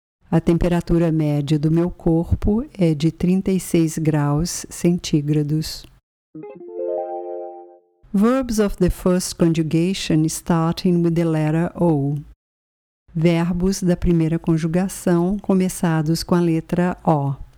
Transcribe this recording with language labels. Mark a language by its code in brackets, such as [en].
[pt] A temperatura média do meu corpo é de 36 graus centígrados. [en] Verbs of the first conjugation starting with the letter O. [pt] Verbos da primeira conjugação começados com a letra O.